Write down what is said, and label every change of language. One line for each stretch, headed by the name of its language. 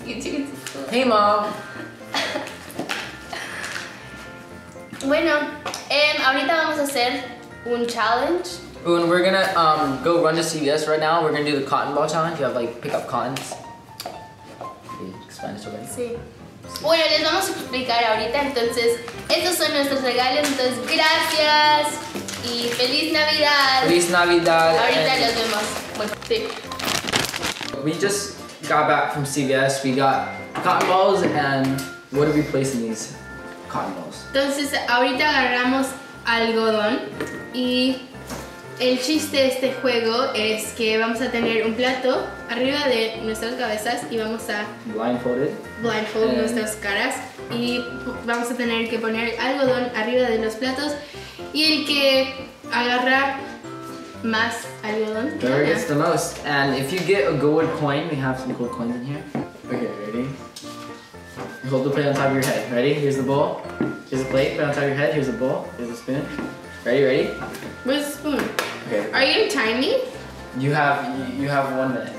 English: You take it to school. Hey, Mom.
Spanish: Bueno, ahorita vamos a hacer un challenge.
English: Boon, we're gonna go run to CVS right now. We're gonna do the cotton ball challenge. You have like pick up cottons.
Spanish: Sí. Bueno, les vamos a explicar ahorita, entonces, estos son nuestros regalos, entonces, gracias y feliz Navidad. Feliz Navidad. Ahorita los vemos. Bueno, sí.
English: We just got back from CVS, we got cotton balls, and what are we placing these cotton balls?
Spanish: Entonces, ahorita agarramos algodón, y el chiste de este juego es que vamos a tener un plato arriba de nuestras cabezas y vamos a
English: blindfold
Spanish: nuestras caras y vamos a tener que poner algodón arriba de los platos y el que agarra más algodón.
English: Whoever gets the most. And if you get a gold coin, we have some gold coins in here. Okay, ready? Hold the plate on top of your head. Ready? Here's the bowl. Here's the plate. Put on top of your head. Here's the bowl. Here's the spoon. Ready? Ready? Where's the spoon? Okay. Are you timing? You have 1 minute.